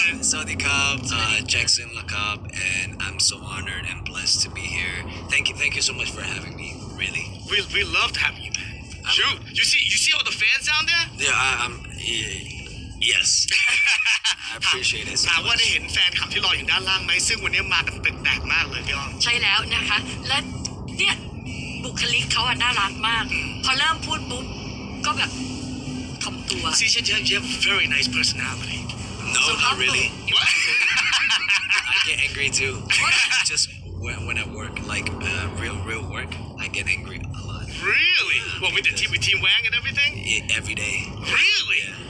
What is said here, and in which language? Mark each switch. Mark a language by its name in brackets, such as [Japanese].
[English] Sawadee kap, Jackson Lakab and I'm so honored and blessed to be here thank you so much for having me really we love to have you man. You see all the fans down there? Yeah, yes. I appreciate it. [Thai] ว่าได้เห็นแฟนคลับที่รออยู่ด้านล่างไหมซึ่งวันนี้มากันเป็นแบกมากเลยพี่อ้อม ใช่แล้วนะคะและเนี่ยบุคลิกเขาอ่ะน่ารักมากพอเริ่มพูดปุ๊บก็แบบทำตัว [English] See, you have very nice personality. No, so not really. I get angry too. Just when I work, like real work, I get angry a lot. Really? Yeah, what, with the team Wang and everything? Every day. Really?